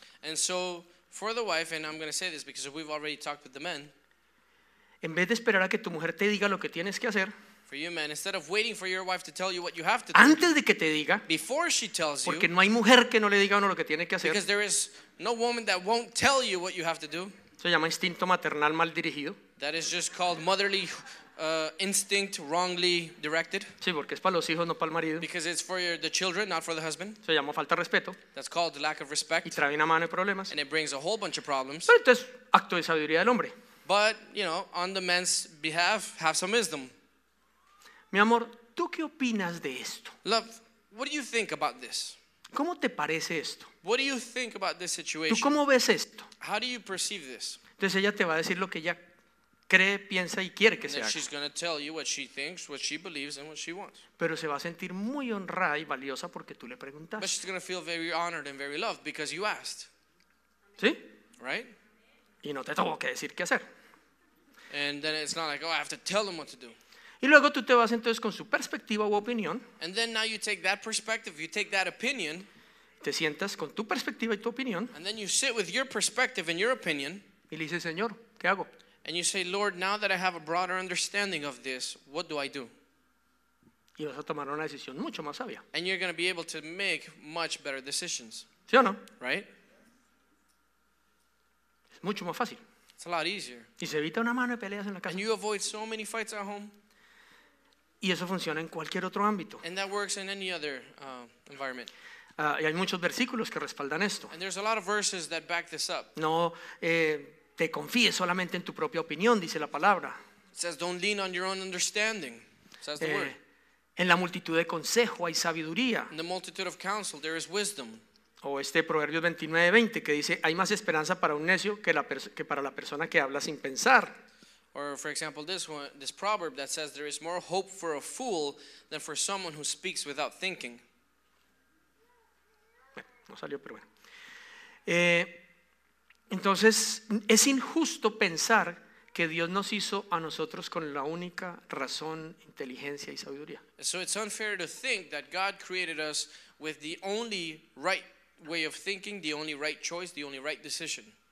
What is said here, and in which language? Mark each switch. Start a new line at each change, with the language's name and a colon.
English: And so, for the wife, and I'm going to say this because we've already talked with the men.
Spanish: En vez de esperar a que tu mujer te diga lo que tienes que hacer.
English: For you men, instead of waiting for your wife to tell you what you have to do.
Spanish: Antes de que te diga.
English: Before she tells you.
Spanish: Porque no hay mujer que no le diga a uno lo que tiene que hacer.
English: Because there is no woman that won't tell you what you have to do.
Spanish: Se llama instinto maternal mal dirigido.
English: That is just called motherly instinct wrongly directed.
Spanish: Sí, porque es para los hijos, no para el marido.
English: Because it's for the children, not for the husband.
Spanish: Se llama falta de respeto.
English: That's called lack of respect.
Spanish: Y trae una mano de problemas.
English: And it brings a whole bunch of problems.
Spanish: Pero entonces, acto de sabiduría del hombre.
English: But, you know, on the man's behalf, have some wisdom.
Spanish: Mi amor, ¿tú qué opinas de esto?
English: Love, what do you think about this?
Spanish: ¿Cómo te parece esto?
English: What do you think about this situation?
Spanish: ¿Tú cómo ves esto?
English: How do you perceive this?
Spanish: Entonces ella te va a decir lo que ella cree, piensa y quiere que
English: and
Spanish: se haga.
English: She's going to tell you what she thinks, what she believes, and what she wants.
Spanish: Pero se va a sentir muy honrada y valiosa porque tú le preguntaste.
English: But she's going to feel very honored and very loved because you asked.
Spanish: ¿Sí?
English: Right?
Spanish: Y no te tengo que decir qué hacer.
English: And then it's not like, oh, I have to tell them what to do.
Spanish: Y luego tú te vas entonces con su perspectiva u opinión.
English: And then now you take that perspective, you take that opinion.
Spanish: Te sientas con tu perspectiva y tu opinión.
English: And then you sit with your perspective and your opinion.
Spanish: Y le dices, Señor, ¿qué hago?
English: And you say, Lord, now that I have a broader understanding of this, what do I do?
Spanish: Y vas a tomar una decisión mucho más sabia.
English: And you're going to be able to make much better decisions.
Spanish: ¿Sí o no?
English: Right?
Spanish: Es mucho más fácil.
English: It's a lot easier.
Spanish: Y se evita una mano de peleas en la casa.
English: And you avoid so many fights at home.
Spanish: Y eso funciona en cualquier otro ámbito.
English: And that works in any other environment.
Spanish: Y hay muchos versículos que respaldan esto.
English: And there's a lot of verses that back this up.
Spanish: No te confíes solamente en tu propia opinión, dice la palabra.
English: It says don't lean on your own understanding, says the word.
Spanish: En la multitud de consejo hay sabiduría.
English: In the multitude of counsel there is wisdom.
Spanish: O este Proverbios 29:20 que dice hay más esperanza para un necio que, que para la persona que habla sin pensar.
English: Or for example this proverb that says there is more hope for a fool than for someone who speaks without thinking.
Spanish: No salió, pero bueno. Entonces, es injusto pensar que Dios nos hizo a nosotros con la única razón, inteligencia y sabiduría.
English: So it's unfair to think that God created us with the only right way of thinking, the only right choice, the only right decision.